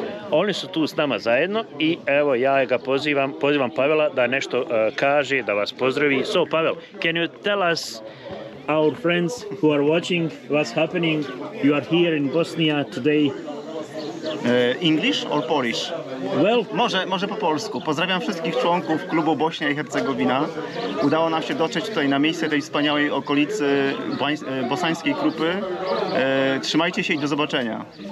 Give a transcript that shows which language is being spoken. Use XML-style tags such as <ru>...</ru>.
<bs>Oni su tu s nama zajedno i evo ja ga pozivam Pavela da nešto kaže, da vas pozdravi.</bs> <en>So Pavel, can you tell us our friends who are watching what's happening? You are here in Bosnia today. English or Polish? Well,</en> <pl>może po polsku. Pozdrawiam wszystkich członków klubu Bośnia i Hercegowina. Udało nam się dotrzeć tutaj na miejsce tej wspaniałej okolicy bosańskiej grupy. Trzymajcie się i do zobaczenia.</pl>